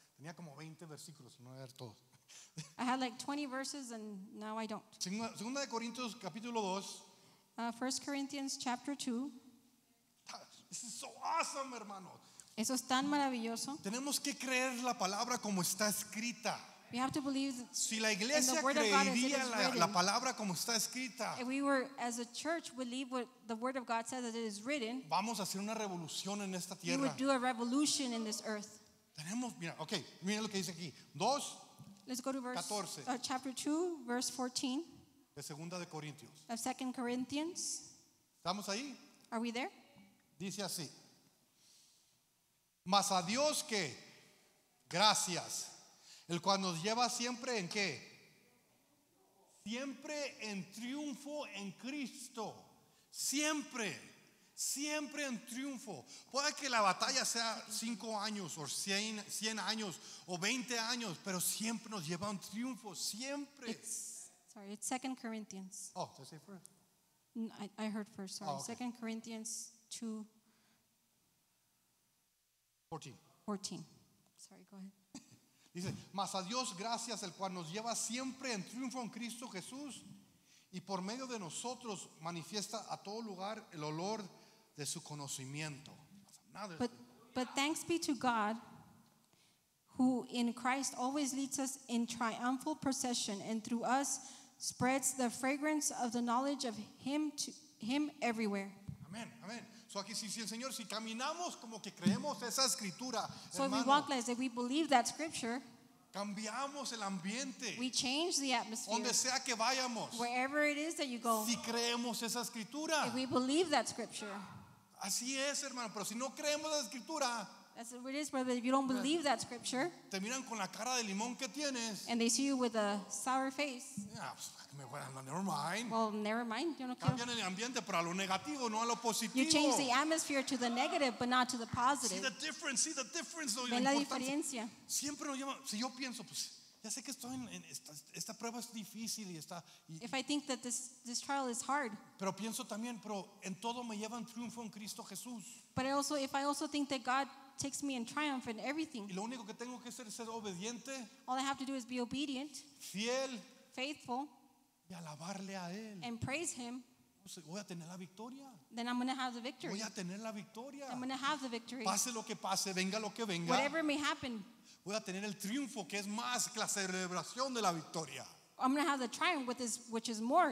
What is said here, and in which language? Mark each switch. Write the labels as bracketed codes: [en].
[es] Tenía como 20 versículos, no voy a ver todos. [en] I had like 20 verses and now I don't. [es] Segunda de Corintios capítulo 2. [en] 1 Corinthians chapter 2. This is so awesome, hermano. [es] Eso es tan maravilloso. Tenemos que creer la palabra como está escrita. [en] We have to believe [es] si la iglesia creería la palabra como está escrita, [en] if we were as a church believe what the word of God says that it is written, [es] vamos a hacer una revolución en esta tierra. [en] We would do a revolution in this earth. [es] Tenemos, mira, okay, mira lo que dice aquí. 2. [en] Let's go to verse 14. Chapter 2, verse 14. [es] De segunda de Corintios. [en] Of 2 Corinthians. [es] ¿Estamos ahí? [en] Are we there? [es] Dice así. Mas a Dios que gracias, el cual nos lleva siempre en qué? Siempre en triunfo en Cristo. Siempre, siempre en triunfo. Puede que la batalla sea 5 años o 100 años o 20 años, pero siempre nos lleva a un triunfo, siempre. [en] It's 2 Corinthians. Oh, did I say first? I heard first, sorry. 2 Corinthians 2:14. Sorry, go ahead. [es] Dice, mas a Dios gracias, el cual nos lleva siempre en triunfo en Cristo Jesús, y por medio de nosotros manifiesta a todo lugar el olor de su conocimiento. [en] But thanks be to God, who in Christ always leads us in triumphal procession, and through us spreads the fragrance of the knowledge of Him to Him everywhere. [es] Amén, amén. So aquí sí, el Señor, si caminamos como que creemos esa escritura, [en] so if we walk like that, if we believe that scripture, [es] cambiamos el ambiente, [en] we change the atmosphere, [es] donde sea que vayamos, [en] wherever it is that you go, [es] si creemos esa escritura, [en] if we believe that scripture, [es] así es, hermano, pero si no creemos la escritura, [en] that's what it is, brother, if you don't believe that scripture, [es] te miran con la cara de limón que tienes, [en] and they see you with a sour face, Never mind. [es] Yo no cambian el ambiente, pero a lo negativo, no a lo positivo. [en] You change the atmosphere to the negative, but not to the positive. See the difference. [es] Ven la diferencia. Siempre nos lleva. Si yo pienso, pues ya sé que estoy en esta prueba es difícil y está. [en] If I think that this trial is hard. [es] Pero pienso también, pero en todo me lleva en triunfo en Cristo Jesús. [en] But also, if I also think that God takes me in triumph in everything. [es] Y lo único que tengo que hacer es ser obediente. [en] All I have to do is be obedient. [es] Fiel. [en] Faithful. [es] Y alabarle a él. [en] And praise him. [es] Voy a tener la victoria. [en] Then I'm going to have the victory. [es] Voy a tener la victoria. [en] I'm going to have the victory. [es] Pase lo que pase, venga lo que venga. [en] Whatever may happen. [es] Voy a tener el triunfo, que es más que la celebración de la victoria. [en] I'm going to have the triumph with this, which is more.